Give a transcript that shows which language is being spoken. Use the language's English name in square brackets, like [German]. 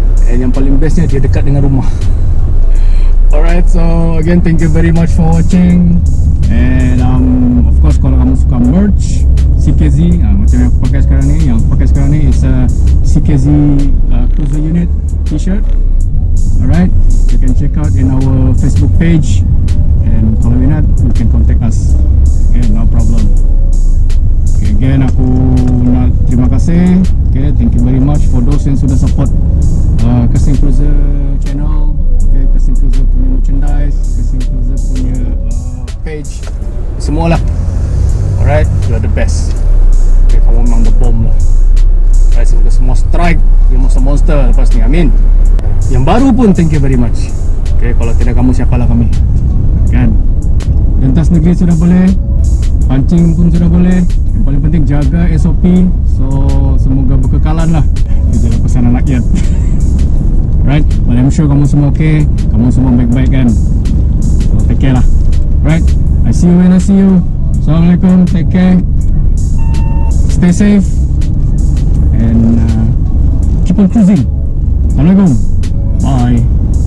[Malay] and yang paling bestnya dia dekat dengan rumah. [English] Alright, so again thank you very much for watching. And of course [Malay] kalau kamu suka merch CKZ, macam yang aku pakai sekarang ni, yang aku pakai sekarang ni [English] is a CKZ Cruiser Unit T-shirt. Alright, you can check out in our Facebook page. And [Malay] kalau minat, [English] you can contact us. Okay, no problem. Okay, again, [Malay] aku nak terima kasih. [English] Okay, thank you very much for those [Malay] yang sudah [English] support Cursing Cruiser channel. [Malay] Okay, Cursing Cruiser punya merchandise, Cursing Cruiser punya page, semualah. [English] Alright, you are the best. Okay, [Malay] kamu memang [English] the bomb [Malay] lah. Alright, semoga semua strike yang monster monster lepas ni, amin. Yang baru pun [English] thank you very much. [Malay] Okay, kalau tidak kamu siapalah kami, kan? Lintas negeri sudah boleh, pancing pun sudah boleh. Yang paling penting jaga SOP. So semoga berkekalan lah. Itulah pesanan rakyat. [English] Right, but I'm sure [Malay] kamu semua okay, kamu semua baik-baik kan? [English] So take care lah. Right, I see you when I see you. Assalamualaikum, take care, stay safe, and keep on cruising. Assalamualaikum, bye.